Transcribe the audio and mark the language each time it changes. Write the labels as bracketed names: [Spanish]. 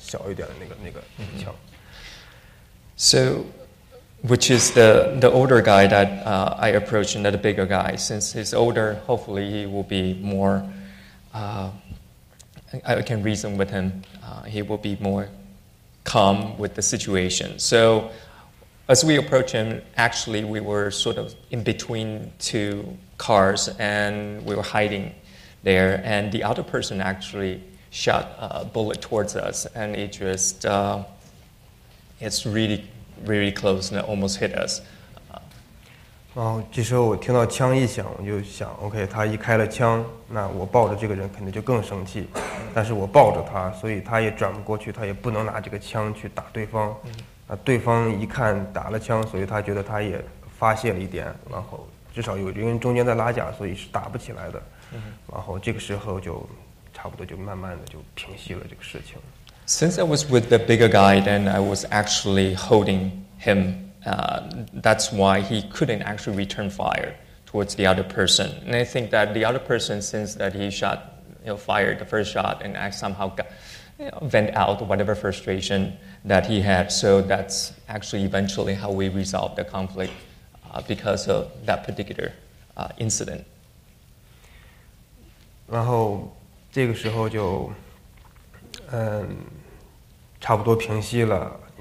[Chinese] 然后因为我抱住他，我知道他年龄大一点，所以他能把这个火气，他更理性一点，所以他压住一点，我就一直在抱着他，所以他们一直在嚷。然后因为中间有一个汽车，所以我们躲在这个汽车中间。然后突然，另外一个人就朝着我们这边开枪了，就从那个子弹就从这个身边就过去了。当然是那个小一点的那个枪。 [English] So Which is the older guy that I approached, another bigger guy. Since he's older, hopefully he will be more, I can reason with him. He will be more calm with the situation. So as we approach him, actually we were sort of in between two cars and we were hiding there, and the other person actually shot a bullet towards us, and it just, it's really, really close, and it almost hit us. [Chinese] 这时候我听到枪一响，我就想 OK，他一开了枪，那我抱着这个人肯定就更生气。但是我抱着他，所以他也转不过去，他也不能拿这个枪去打对方。对方一看打了枪，所以他觉得他也发泄了一点。然后至少有一个人中间在拉架，所以是打不起来的。然后这个时候就差不多就慢慢的就平息了这个事情。 [English] Since I was with the bigger guy, then I was actually holding him. That's why he couldn't actually return fire towards the other person. And I think that the other person, since that he shot, you know, fired the first shot and somehow vent out whatever frustration that he had. So that's actually eventually how we resolved the conflict because of that particular incident. [Chinese] 然后这个时候就差不多平息了。